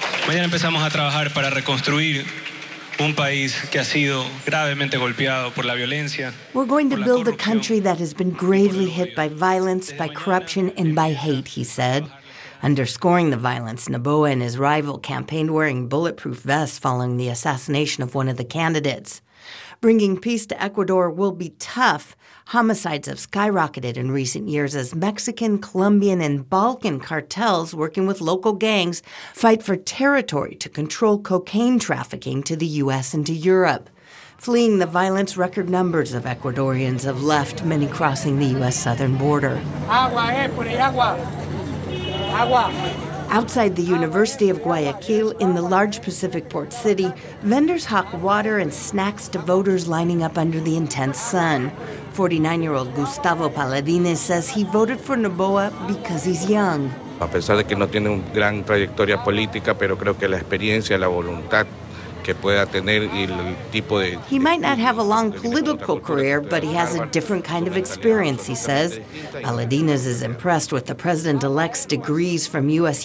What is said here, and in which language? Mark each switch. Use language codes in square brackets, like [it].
[es] Mañana empezamos a trabajar para reconstruir un país que ha sido gravemente golpeado por la violencia. [en] We're going to build a country that has been gravely hit by violence, by corruption, and by hate, he said. Underscoring the violence, Noboa and his rival campaigned wearing bulletproof vests following the assassination of one of the candidates. Bringing peace to Ecuador will be tough. Homicides have skyrocketed in recent years as Mexican, Colombian, and Balkan cartels working with local gangs fight for territory to control cocaine trafficking to the U.S. and to Europe. Fleeing the violence, record numbers of Ecuadorians have left, many crossing the U.S. southern border. [es] Agua, por el agua. Agua. [en] Outside the University of Guayaquil, in the large Pacific port city, vendors hawk water and snacks to voters lining up under the intense sun. 49-year-old Gustavo Paladines says he voted for Noboa because he's young. [es] A pesar de que no tiene una gran trayectoria política, pero creo que la experiencia, la voluntad. [en] He might not have a long political career, but he has a different kind of experience, he says. Paladines is impressed with the president-elect's degrees from U.S.